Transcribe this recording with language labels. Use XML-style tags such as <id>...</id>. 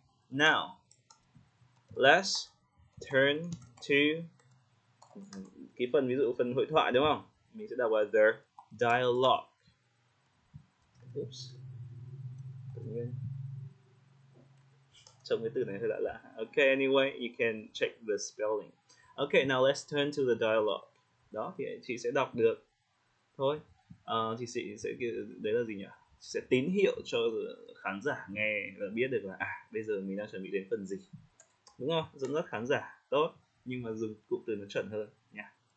<en>Now, let's turn to</en> <vi>cái phần ví dụ phần hội thoại đúng không? Mình sẽ đọc vào the dialogue. Oops. Trong cái từ này hơi lạ lạ.</vi> <en>Okay, anyway, you can check the spelling. Okay, now let's turn to the dialogue.</en> <vi>Đó thì chị sẽ đọc được thôi. Chị sẽ đấy là gì nhỉ? Chị sẽ tín hiệu cho khán giả nghe và biết được là bây giờ mình đang chuẩn bị đến phần gì. Đúng không? Dẫn dắt khán giả tốt, nhưng mà dùng cụm từ nó chuẩn hơn nha.</vi>